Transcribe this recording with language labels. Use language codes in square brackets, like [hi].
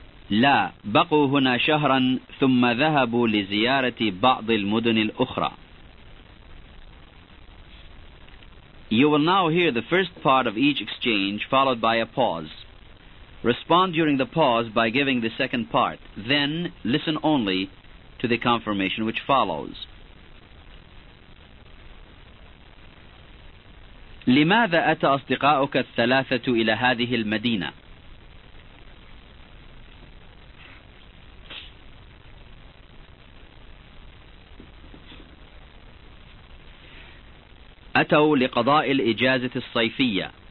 [ar] لا، بقوا هنا شهرا ثم ذهبوا لزيارة بعض المدن الأخرى. [en] You will now hear the first part of each exchange followed by a pause. Respond during the pause by giving the second part. Then listen only to the confirmation which follows. [ar] لماذا أتى أصدقاؤك الثلاثة إلى هذه المدينة؟ أتوا لقضاء الإجازة الصيفية.